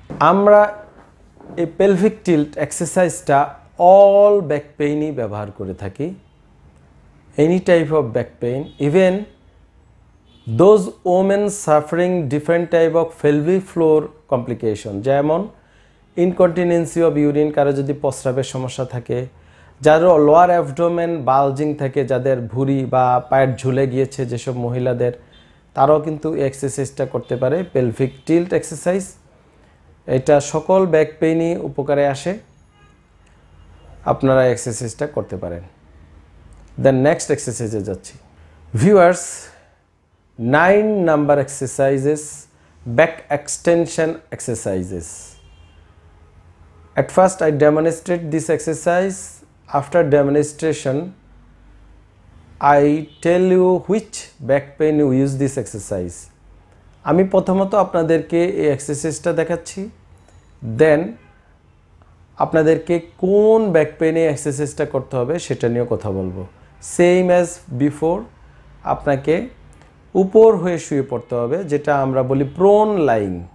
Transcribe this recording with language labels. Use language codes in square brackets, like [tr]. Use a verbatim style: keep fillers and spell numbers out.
[bn] আমরা এই pelvic tilt এক্সারসাইজটা all back পেইনই ব্যবহার করে থাকি, [en] any type of back pain, even those women suffering different type of pelvic floor complication, [bn] যেমন incontinence of urine, কারো যদি প্রস্রাবের সমস্যা থাকে, যার লোয়ার অ্যাবডোমেন বালজিং থেকে, যাদের ভুঁড়ি বা পায়ের ঝুলে গিয়েছে যেসব মহিলাদের, তারাও কিন্তু এই এক্সারসাইজটা করতে পারে, পেলভিক টিল্ট এক্সারসাইজ। এটা সকল ব্যাক পেইনই উপকারে আসে, আপনারা এক্সারসাইজটা করতে পারেন। দেন নেক্সট এক্সারসাইজে যাচ্ছি। Viewers, [en] nine number exercises, back extension exercises. At first I demonstrate this exercise. After demonstration, I tell you which back pain you use this exercise. [bn] আমি প্রথমত আপনাদেরকে এই এক্সারসাইজটা দেখাচ্ছি, দেন আপনাদেরকে কোন ব্যাক পেনে এক্সারসাইজটা করতে হবে সেটা নিয়ে কথা বলবো। [en] same as before, [bn] আপনাকে উপর হয়ে শুয়ে পড়তে হবে, যেটা আমরা বলি প্রোন লাইং।